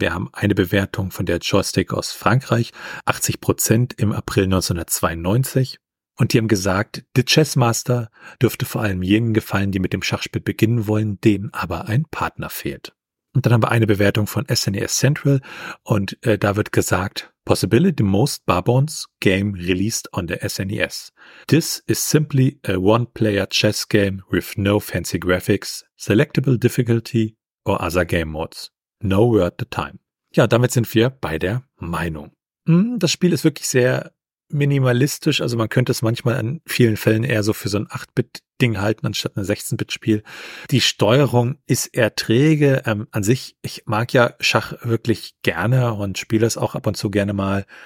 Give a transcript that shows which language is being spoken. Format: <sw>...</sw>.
<de>Wir haben eine Bewertung von der Joystick aus Frankreich, 80% im April 1992. Und die haben gesagt, The Chess Master dürfte vor allem jenen gefallen, die mit dem Schachspiel beginnen wollen, denen aber ein Partner fehlt. Und dann haben wir eine Bewertung von SNES Central und da wird gesagt,</de> <en>Possibly the most barbones game released on the SNES. This is simply a one-player chess game with no fancy graphics, selectable difficulty or other game modes. No worth the time.</en> <de>Ja, damit sind wir bei der Meinung. Das Spiel ist wirklich sehr minimalistisch, also man könnte es manchmal an vielen Fällen eher so für so ein 8-Bit-Ding halten, anstatt ein 16-Bit-Spiel. Die Steuerung ist eher träge. An sich, ich mag ja Schach wirklich gerne und spiele es auch ab und zu gerne mal.</de>